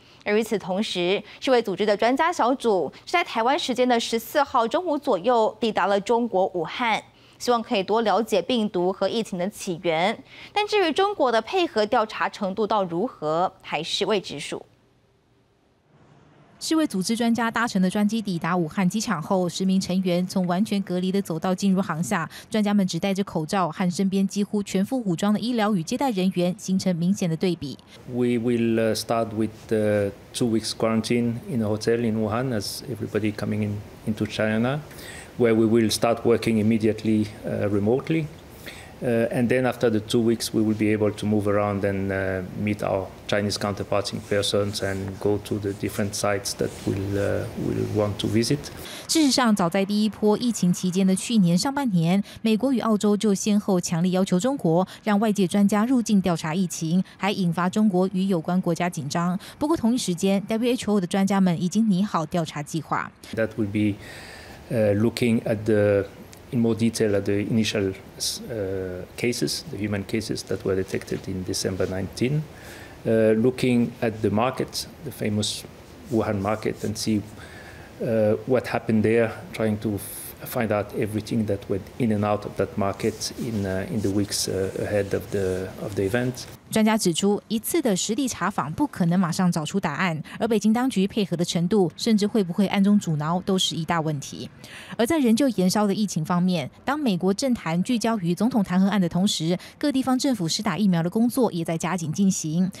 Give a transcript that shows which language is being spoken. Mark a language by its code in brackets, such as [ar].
[zh] 而与此同时，世卫组织的专家小组是在台湾时间的14号中午左右抵达了中国武汉，希望可以多了解病毒和疫情的起源，但至于中国的配合调查程度到如何，还是未知数。世卫组织专家搭乘的专机抵达武汉机场后，十名成员从完全隔离的走道进入航厦，专家们只戴着口罩，和身边几乎全副武装的医疗与接待人员形成明显的对比。 [en] We will start with the 2 weeks quarantine in a hotel in Wuhan as everybody coming into China, where we will start working immediately remotely. And then after the 2 weeks, we will be able to move around and meet our Chinese counterparts in person and go to the different sites that we'll want to visit. [zh] 事实上，早在第一波疫情期间的去年上半年，美国与澳洲就先后强力要求中国让外界专家入境调查疫情，还引发中国与有关国家紧张。不过，同一时间 ，WHO 的专家们已经拟好调查计划。 [en] That will be looking at the. In more detail at the initial cases, the human cases that were detected in December 19, looking at the market, the famous Wuhan market, and see what happened there, trying to find out everything that went in and out of that market in the weeks ahead of the event. [zh] 专家指出，一次的实地查访不可能马上找出答案，而北京当局配合的程度，甚至会不会暗中阻挠，都是一大问题。而在仍旧延烧的疫情方面，当美国政坛聚焦于总统弹劾案的同时，各地方政府施打疫苗的工作也在加紧进行。